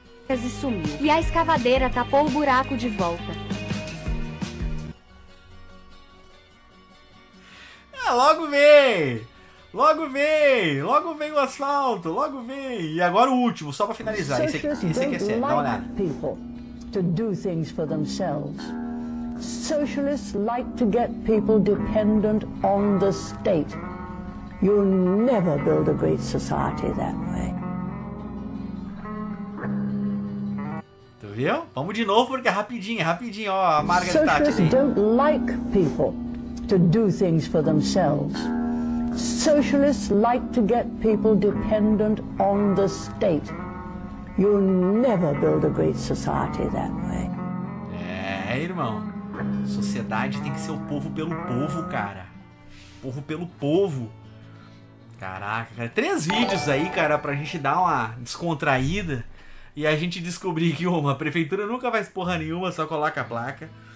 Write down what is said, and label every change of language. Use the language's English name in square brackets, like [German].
[Portuguese] E sumiu. E a escavadeira tapou o buraco de volta. Ah, logo vem! Logo vem! Logo vem o asfalto! Logo vem! E agora o último, só pra finalizar. Esse aqui, é sério. Dá uma olhada. [English] To do things for themselves. Socialists like to get people dependent on the state. You never build a great society that way. [Portuguese] Tu viu? Vamos de novo porque é rapidinho, ó, a Margaret Thatcher. [English] Socialists don't like people to do things for themselves. Socialists like to get people dependent on the state. You never build a great society that way. [Portuguese] É, irmão. Sociedade tem que ser o povo pelo povo, cara. Povo pelo povo. Caraca, cara. Três vídeos aí, cara, pra gente dar uma descontraída e a gente descobrir que uma prefeitura nunca faz porra nenhuma, só coloca a placa.